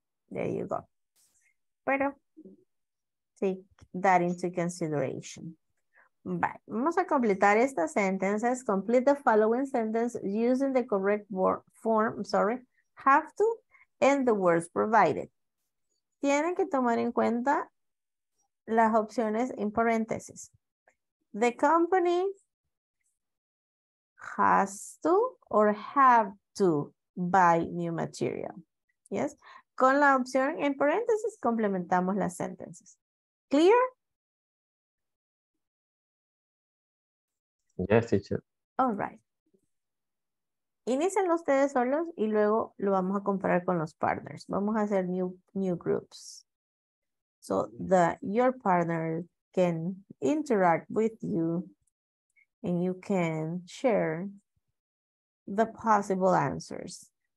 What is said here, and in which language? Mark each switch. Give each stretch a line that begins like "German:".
English: There you go. But take that into consideration. Bye.
Spanish: Vamos a completar estas sentences.
English: Complete the following sentence using the correct form, have to, and the words provided.
Spanish: Tienen que tomar en cuenta las opciones en paréntesis.
English: The company has to or have to buy new material. Yes.
Spanish: con la opción en paréntesis complementamos las sentences.
English: Clear? Yes, teacher. All right.
Spanish: Inicien ustedes solos y luego lo vamos a comparar con los partners. Vamos a hacer
English: new groups. So that your partner can interact with you and you can share the possible answers.